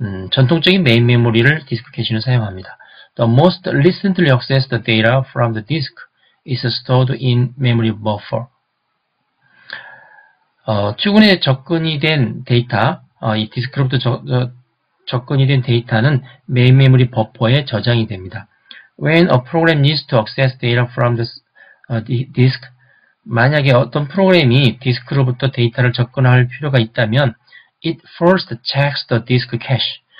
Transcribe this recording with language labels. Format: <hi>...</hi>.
<ko>전통적인 메인 메모리를 디스크 캐시는 사용합니다.</ko> <en>The most recently accessed data from the disk is stored in memory buffer.</en> <ko>최근에 접근이 된 데이터, 이 디스크로부터 접근이 된 데이터는 메인 메모리 버퍼에 저장이 됩니다.</ko> <en>When a program needs to access data from the disk,</en> <ko>만약에 어떤 프로그램이 디스크로부터 데이터를 접근할 필요가 있다면,</ko> <en>it first checks the disk cache.</en>